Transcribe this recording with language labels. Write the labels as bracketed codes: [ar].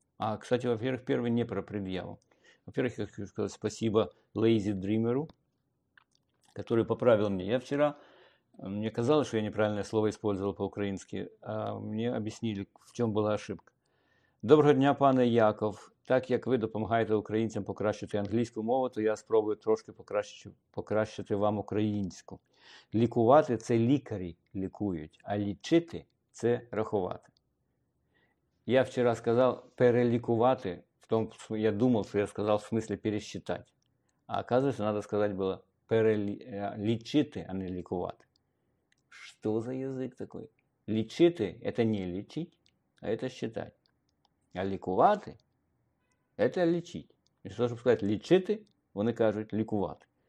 [ru] А, кстати, во-первых, первый не про предъяву, во-первых, я хочу сказать спасибо Lazy Dreamer, который поправил мне, я вчера... Мне казалось, что я неправильное слово использовал по-украински, а мне объяснили, в чем была ошибка. [uk] Доброго дня, пане Яков. Так як ви допомагаєте українцям покращити англійську мову, то я спробую трошки покращити вам українську. Лікувати – це лікарі лікують, а лічити – це рахувати. Я вчора сказав перелікувати, в тому, я думав, що я сказав в смислі пересчитати. А оказується, треба сказати було перелічити, а не лікувати. [ru] Что за язык такой? Лечити – это не лечить, а это считать. А ликувати – это лечить. И что, чтобы сказать лечити, они кажут ликувати.